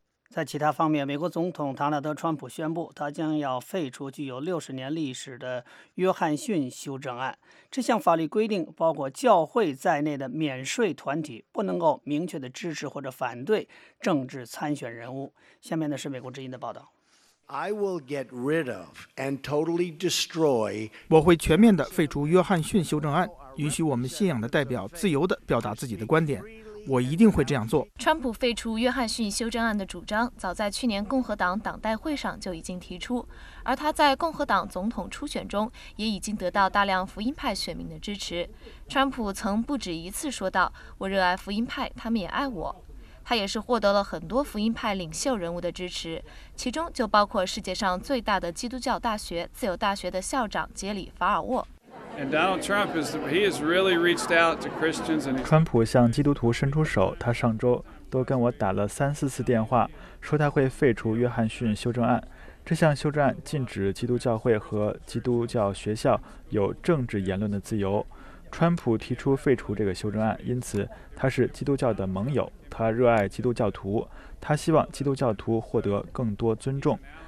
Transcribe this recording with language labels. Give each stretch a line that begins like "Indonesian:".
Chinese: 在其他方面，美国总统唐纳德·川普宣布，他将要废除具有60年历史的约翰逊修正案。这项法律规定，包括教会在内的免税团体不能够明确的支持或者反对政治参选人物。下面呢是美国之音的报道。
English: I will get rid of and totally destroy.
Chinese: 我会全面的废除约翰逊修正案，允许我们信仰的代表自由的表达自己的观点。我一定会这样做。川普废除约翰逊修正案的主张早在去年共和党党代会上就已经提出，而他在共和党总统初选中也已经得到大量福音派选民的支持。川普曾不止一次说道，我热爱福音派，他们也爱我。他也是获得了很多福音派领袖人物的支持，其中就包括世界上最大的基督教大学自由大学的校长杰里·法尔沃。
English: And Donald Trump is he has really reached out to Christians and
Chinese: 川普向基督徒伸出手，他上周都跟我打了3-4次电话，说他会废除约翰逊修正案。这项修正案禁止基督教会和基督教学校有政治言论的自由。川普提出废除这个修正案，因此他是基督教的盟友，他热爱基督教徒，他希望基督教徒获得更多尊重。